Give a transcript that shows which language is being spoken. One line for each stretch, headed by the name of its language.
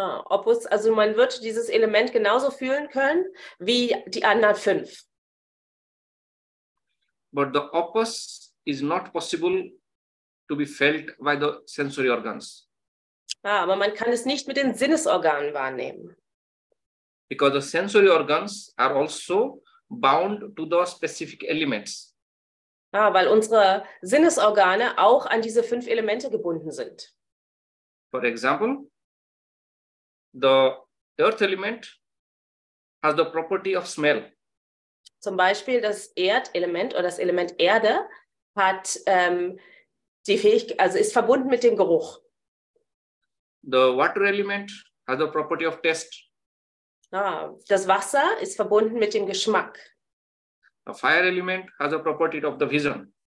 German: Opus, also man wird dieses Element genauso fühlen können wie die anderen fünf.
English: But the opus is not possible to be felt by the sensory organs.
German: Aber man kann es nicht mit den Sinnesorganen wahrnehmen.
English: Because the sensory organs are also bound to the specific elements.
German: Weil unsere Sinnesorgane auch an diese fünf Elemente gebunden sind.
English: For example, the earth element has the property of smell.
German: Zum Beispiel das Erdelement oder das Element Erde hat die Fähigkeit, also ist verbunden mit dem Geruch.
English: The water element has the property of taste.
German: Das Wasser ist verbunden mit dem Geschmack.
English: The fire element has the property of the vision.